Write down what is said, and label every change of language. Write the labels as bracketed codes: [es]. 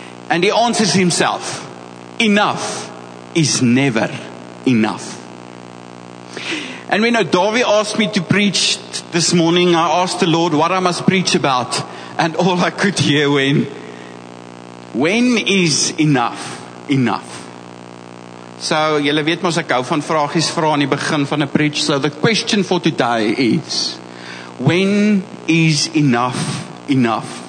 [en] And he answers himself, enough is never enough. And when Odavi asked me to preach this morning, I asked the Lord what I must preach about. And all I could hear when is enough enough? [af] So, julle weet mos ek hou van vragies vra aan die begin van 'n preach. [en] So the question for today is, when is enough enough?